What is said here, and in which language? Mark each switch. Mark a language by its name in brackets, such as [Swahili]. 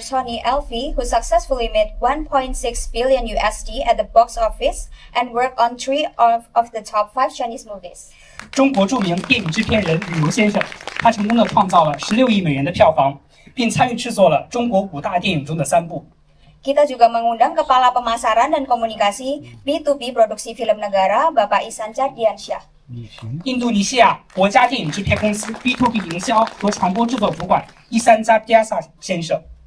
[English] Sony Alfie, who successfully made $1.6 billion at the box office and worked on 3 of the top 5 Chinese movies. [Chinese] 中国著名电影制片人吕如先生，他成功的创造了 16亿美元的票房， 并参与制作了中国五大电影中的3部。 [Indonesian] Kita juga mengundang Kepala Pemasaran dan Komunikasi B2B Produksi Film Negara, Bapak Isan Chardiansyah. [Chinese] 印度尼西亚国家电影制片公司 B2B 营销和传播制作主管伊山扎迪亚萨先生。